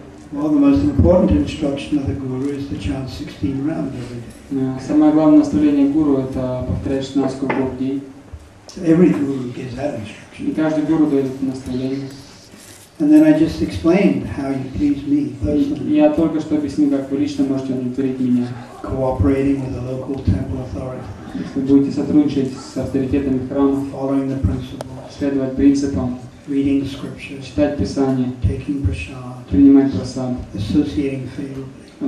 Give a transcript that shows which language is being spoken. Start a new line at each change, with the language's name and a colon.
English: Well, the most important instruction of the guru is to chant 16 rounds every day.
Russian: Самое главное наставление гуру – это повторять 16 кругов в день.
English: So every guru gives that instruction.
Russian: И каждый гуру дает это наставление.
English: And then I just explained how you please me personally.
Russian: Я только что объяснил, как вы лично можете удовлетворить меня.
English: Cooperating with the local temple authority.
Russian: Если будете сотрудничать с авторитетами храма.
English: Following the principles.
Russian: Следовать принципам.
English: Reading scriptures.
Russian: Читать Писание.
English: Taking prasad.
Russian: Принимать прасад.
English: Associating favorably.